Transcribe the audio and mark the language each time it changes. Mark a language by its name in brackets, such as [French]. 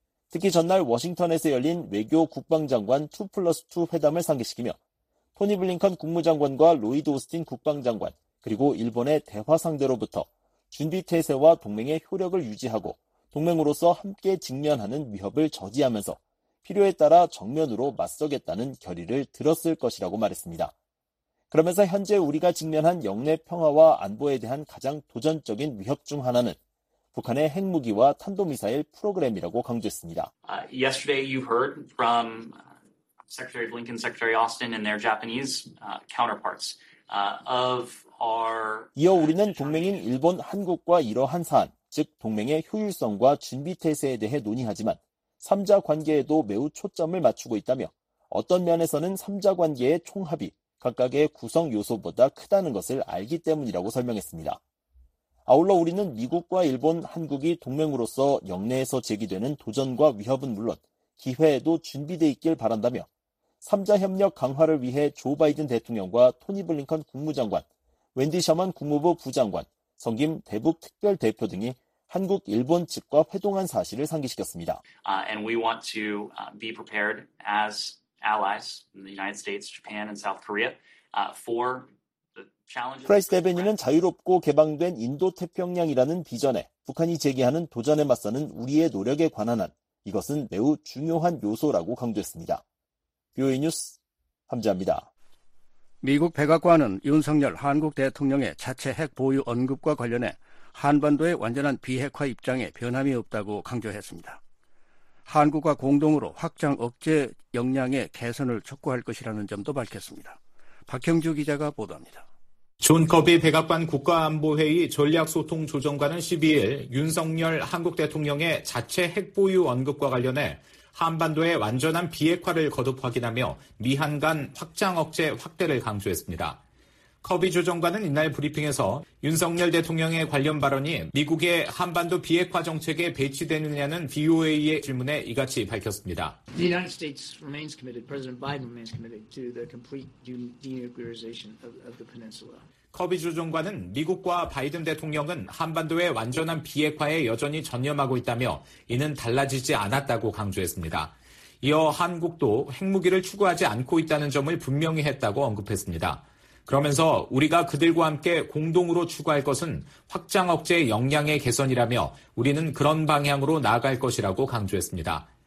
[Korean] 특히 전날 워싱턴에서 열린 외교 국방장관 2+2 회담을 상기시키며 토니 블링컨 국무장관과 로이드 오스틴 국방장관 그리고 일본의 대화 상대로부터 준비태세와 동맹의 효력을 유지하고 동맹으로서 함께 직면하는 위협을 저지하면서 필요에 따라 정면으로 맞서겠다는 결의를 들었을 것이라고 말했습니다. 그러면서 현재 우리가 직면한 영내 평화와 안보에 대한 가장 도전적인 위협 중 하나는 북한의 핵무기와 탄도미사일 프로그램이라고 강조했습니다. [English] Yesterday you heard from Secretary Blinken, Secretary Austin and their Japanese counterparts of our [Korean] 이어 우리는 동맹인 일본, 한국과 이러한 사안, 즉 동맹의 효율성과 준비태세에 대해 논의하지만 3자 관계에도 매우 초점을 맞추고 있다며 어떤 면에서는 3자 관계의 총합이 각각의 구성 요소보다 크다는 것을 알기 때문이라고 설명했습니다. 아울러 우리는 미국과 일본, 한국이 동맹으로서 영내에서 제기되는 도전과 위협은 물론 기회에도 준비되어 있길 바란다며 3자 협력 강화를 위해 조 바이든 대통령과 토니 블링컨 국무장관, 웬디 셔먼 국무부 부장관, 성김 대북 특별대표 등이 한국, 일본 측과 회동한 사실을 상기시켰습니다. [English] And we want to be prepared as allies in the United States, Japan, and South Korea for [Korean] 프라이스 대변인은 자유롭고 개방된 인도태평양이라는 비전에 북한이 제기하는 도전에 맞서는 우리의 노력에 관한 한 이것은 매우 중요한 요소라고 강조했습니다. VOA 뉴스 함재합니다. 미국 백악관은 윤석열 한국 대통령의 자체 핵 보유 언급과 관련해 한반도의 완전한 비핵화 입장에 변함이 없다고 강조했습니다. 한국과 공동으로 확장 억제 역량의 개선을 촉구할 것이라는 점도 밝혔습니다. 박형주 기자가 보도합니다. 존 커비 백악관 국가안보회의 전략소통조정관은 12일 윤석열 한국 대통령의 자체 핵보유 언급과 관련해 한반도의 완전한 비핵화를 거듭 확인하며 미한 간 확장 억제 확대를 강조했습니다. 커비 조정관은 이날 브리핑에서 윤석열 대통령의 관련 발언이 미국의 한반도 비핵화 정책에 배치되느냐는 VOA의 질문에 이같이 밝혔습니다. [English] The United States remains committed, President Biden remains committed to the complete denuclearization of the peninsula. [Korean] 커비 조정관은 미국과 바이든 대통령은 한반도의 완전한 비핵화에 여전히 전념하고 있다며 이는 달라지지 않았다고 강조했습니다. 이어 한국도 핵무기를 추구하지 않고 있다는 점을 분명히 했다고 언급했습니다. 그러면서 우리가 그들과 함께 공동으로 추구할 것은 확장 억제 역량의 개선이라며 우리는 그런 방향으로 나아갈 것이라고 강조했습니다.